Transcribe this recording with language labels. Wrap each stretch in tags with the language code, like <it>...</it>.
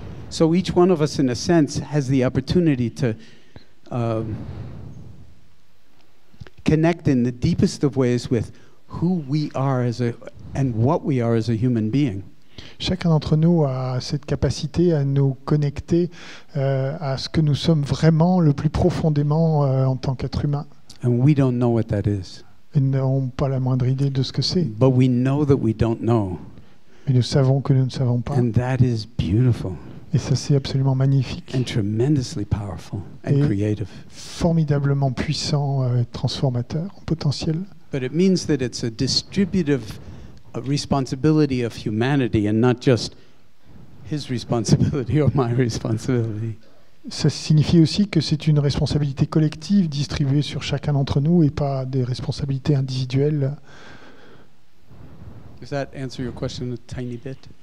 <en>So each one of us, in a sense, has the opportunity to connect in the deepest of ways with who we are and what we are as a human being.</en> <fr>Chacun d'entre nous a cette capacité à nous connecter à ce que nous sommes vraiment le plus profondément en tant qu'être humain.</fr> <en>And we don't know what that is.</en> <fr>Ils n'ont pas la moindre idée de ce que c'est.</fr> <en>But we know that we don't know.</en> <fr>Mais nous savons que nous ne savons pas.</fr> <en>And that is beautiful.</en> <fr>Et ça, c'est absolument magnifique.</fr> <en>And tremendously powerful and creative.</en> <fr>Et formidablement puissant et transformateur en potentiel.</fr> <en>But it means that it's a distributive responsibility of humanity and not just his responsibility or my responsibility.</en> <fr>Ça signifie aussi que c'est une responsabilité collective distribuée sur chacun d'entre nous et pas des responsabilités individuelles.</fr> <en>Does that answer your question a tiny bit?</en>